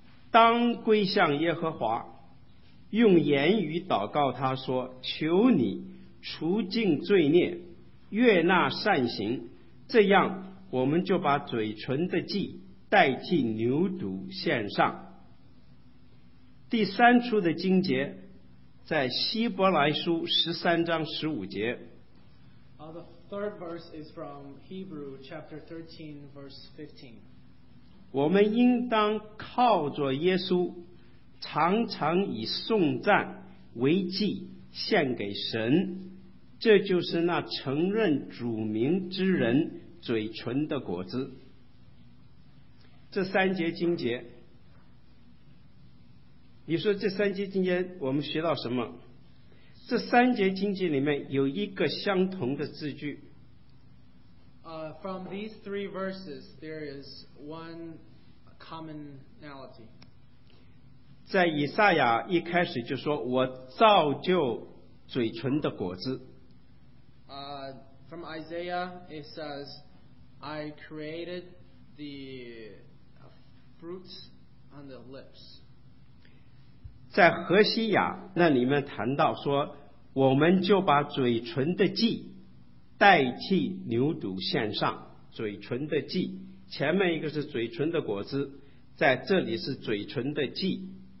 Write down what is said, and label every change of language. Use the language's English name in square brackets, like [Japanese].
[Chinese] 当归向耶和华，用言语祷告他说，求你除尽罪孽，悦纳善行，这样我们就把嘴唇的祭代替牛犊献上。第三处的经节在希伯来书13:15。 [English] The third verse is from Hebrew chapter 13 verse 15. [Chinese] 我们应当靠着耶稣，常常以颂赞为祭献给神，这就是那承认主名之人嘴唇的果子。这三节经节，你说这三节经节我们学到什么？这三节经节里面有一个相同的字句。 [English] From these three verses, there is one commonality. [Chinese] 在以赛亚一开始就说，我造就嘴唇的果子。 [English] From Isaiah, it says, I created the fruits on the lips. [Chinese] 在何西亚那里面谈到说，我们就把嘴唇的祭代替牛犊献上。嘴唇的祭，前面一个是嘴唇的果子，在这里是嘴唇的祭。